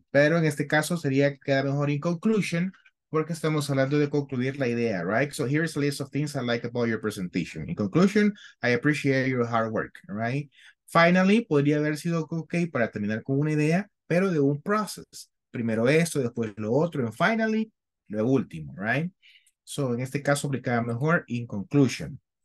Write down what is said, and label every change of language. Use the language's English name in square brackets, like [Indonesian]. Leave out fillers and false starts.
[Spanish] Pero en este caso sería queda mejor [English] in conclusion [Spanish] porque estamos hablando de concluir la idea, [English] right? So here's a list of things I like about your presentation. In conclusion, I appreciate your hard work, all right? Finally, [Spanish] podría haber sido okay para terminar con una idea, pero de un process. Primero esto, después lo otro, [English] and finally, [Spanish] lo último, [English] right? So, [Spanish] en este caso, aplicaba mejor [English] in conclusion.